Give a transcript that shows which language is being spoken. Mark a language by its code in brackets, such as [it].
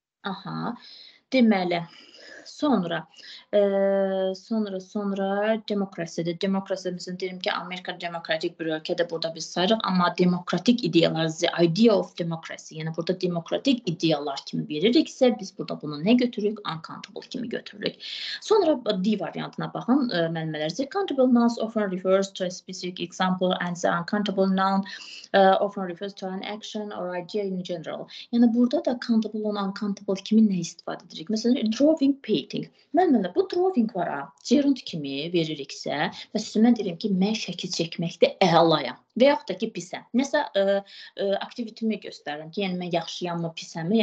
[az] Aha, deməli. Sonra demokrasiyadır. Demokrasiyamızın deyirəm ki, Amerika demokratik bir ölkədə burada biz sayırıq, amma demokratik ideyalar, [en] the idea of democracy, [az] yəni burada demokratik ideyalar kimi veririksə, biz burada bunu nə götürürük? Uncountable kimi götürürük. Sonra D variantına baxın, mənimələr. [en] The countable nouns often refers to a specific example and the uncountable noun often refers to an action or idea in general. [az] Yəni burada da countable on uncountable kimi nə istifadə edirik? Məsələn, drawing painting. Mən bu drawing var ha. Gerund kimi veririksə və sizə mən deyirəm ki, mən şəkil çəkməkdə əlayam. Və yaxud da ki, pisəm. Nəsə aktivitimi göstərirəm ki, yəni mən yaxşıyam mı, pisəm mi?